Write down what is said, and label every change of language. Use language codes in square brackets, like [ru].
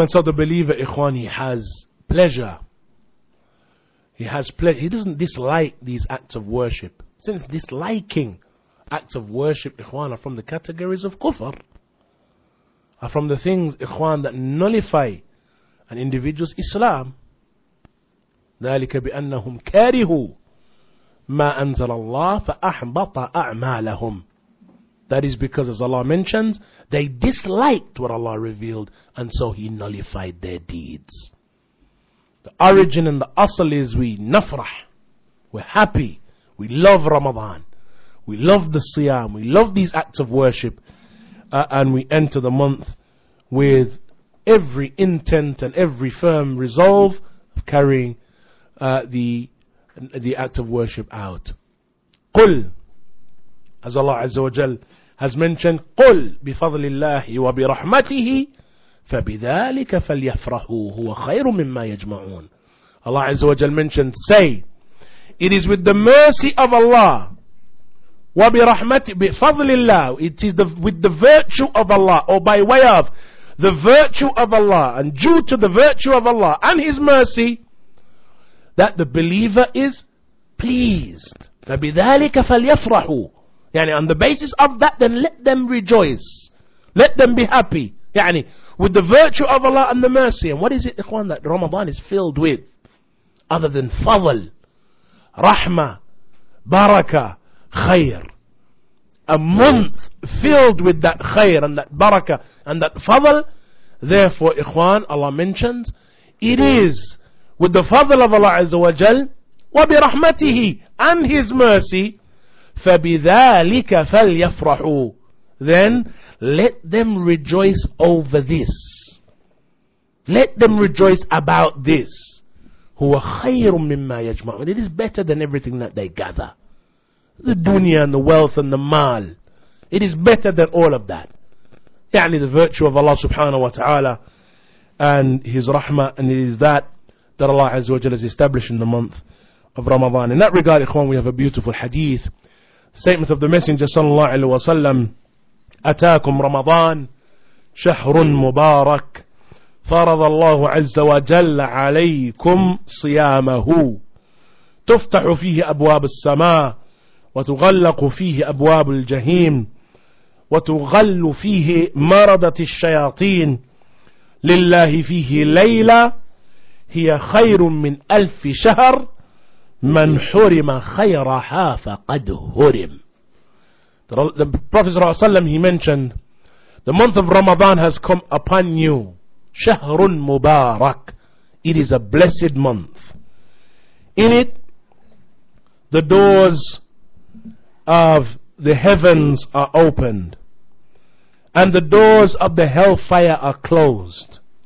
[en] And so the believer, إخوان, he has pleasure. He has pleasure. He doesn't dislike these acts of worship. Since disliking acts of worship, إخوان, are from the categories of kufr, are from the things, إخوان, that nullify an individual's Islam. [ar] ذلك بأنهم كارهوا ما أنزل الله فأحبط أعمالهم. [en] That is because, as Allah mentions, they disliked what Allah revealed, and so He nullified their deeds. The origin and the asl is we nafrah, we're happy, we love Ramadan, we love the siyam, we love these acts of worship, and we enter the month with every intent and every firm resolve of carrying the act of worship out. [ar] قل, [en] as Allah Azza wa Jal has mentioned, [ar] قل بفضل الله وبرحمته فبذلك فليفرحوا هو خير مما يجمعون. [en] Allah Azza wa Jal mentioned, say, it is with the mercy of Allah, [ar] وبرحمته, بفضل الله, [en] it is with the virtue of Allah, or by way of the virtue of Allah, and due to the virtue of Allah and His mercy, that the believer is pleased. [ar] فَبِذَٰلِكَ فَلْيَفْرَحُوا. [en] يعني on the basis of that, then let them rejoice. Let them be happy. يعني with the virtue of Allah and the mercy. And what is it, إخوان, that Ramadan is filled with? Other than [ar] فضل, رحمة, بركة, خير. [en] A month filled with that خير and that بركة and that فضل. Therefore, إخوان, Allah mentions, it is with the fadl of Allah Azza wa Jal, [ar] wa bi rahmatihi, [en] and His mercy, [ar] فَبِذَٰلِكَ فَلْيَفْرَحُوا. [en] Then, let them rejoice over this. Let them rejoice about this. [ar] هُوَ خَيْرٌ مِمَّا يَجْمَعُونَ. [en] It is better than everything that they gather. The dunya and the wealth and the maal. It is better than all of that. يعني the virtue of Allah subhanahu wa ta'ala and His rahmah, and it is that that Allah Azza wa Jalla is established in the month of Ramadan. In that regard, ikhwan, we have a beautiful hadith. Statement of the Messenger sallallahu alayhi wa sallam, [ar] أتاكم رمضان شهر مبارك فرض الله عز وجل عليكم صيامه تفتح فيه أبواب السماء وتغلق فيه أبواب الجحيم وتغل فيه مردة الشياطين لله فيه ليلة هي خير من ألف شهر من حرم خيرها فقد هرم. [en] The Prophet ﷺ, he mentioned, the month of Ramadan has come upon you. [ar] شهر مبارك. [en] It is a blessed month. In it, the doors of the heavens are opened, and the doors of the hellfire are closed.